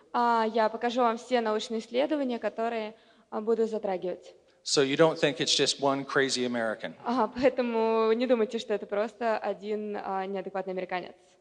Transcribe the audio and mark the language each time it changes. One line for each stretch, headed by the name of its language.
Russian: Я покажу вам все научные исследования, которые буду затрагивать.
English: So you don't think it's just one crazy American.
Russian: Поэтому не думайте, что это просто один неадекватный американец.